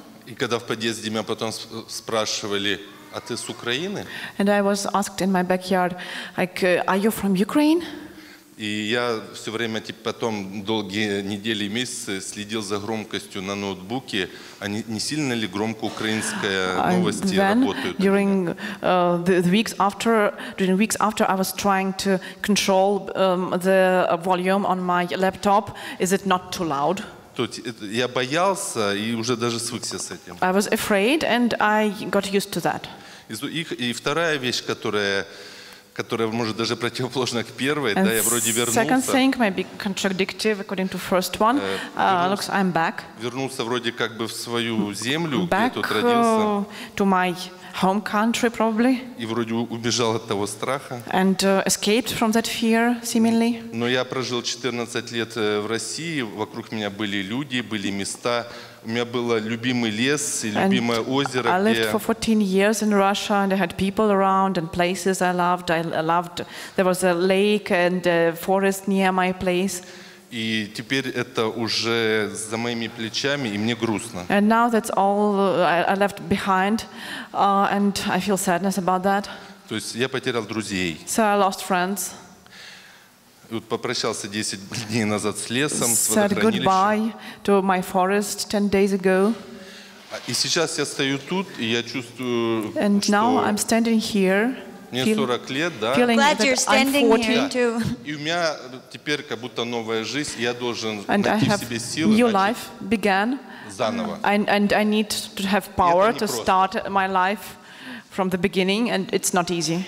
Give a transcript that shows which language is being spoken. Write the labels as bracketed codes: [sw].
[ru] И когда в подъезде меня потом спрашивали, а ты с Украины? [en] And I was asked in my backyard, like, are you from Ukraine? [ru] И я все время, типа, потом долгие недели и месяцы следил за громкостью на ноутбуке, а не сильно ли громко украинские новости работают. [en] During the weeks after, I was trying to control the volume on my laptop. Is it not too loud? [ru] Я боялся и уже даже свыкся с этим. [en] I was afraid and I got used to that. [ru] И вторая вещь, которая может даже противоположна к первой, да, я вроде вернулся. [en] Second thing may be contradictive according to first one. Looks, I'm back. [ru] Вернулся вроде как бы в свою землю, где тут родился. [en] To my home country, probably. [ru] И вроде убежал от того страха. [en] And escaped from that fear, seemingly. [ru] Но я прожил 14 лет в России, вокруг меня были люди, были места. У меня был любимый лес и любимое озеро. [en] I lived for 14 years in Russia and I had people around and places I loved. There was a lake and a forest near my place. [ru] И теперь это уже за моими плечами, и мне грустно. [en] And now that's all I left behind and I feel sadness about that. [ru] То есть я потерял друзей. [en] So I lost friends. [ru] Вот попрощался 10 дней назад с лесом, с водохранилищем. [en] Said goodbye to my forest 10 days ago. [ru] И сейчас я стою тут, и я чувствую, что... [en] And now I'm standing here. [ru] Мне 40 лет, да? [en] Glad you're standing here too. [ru] И у меня теперь как будто новая жизнь, я должен найти в себе силы. [en] New life began. [ru] Заново. [en] And I need to have power to start my life from the beginning, and it's not easy.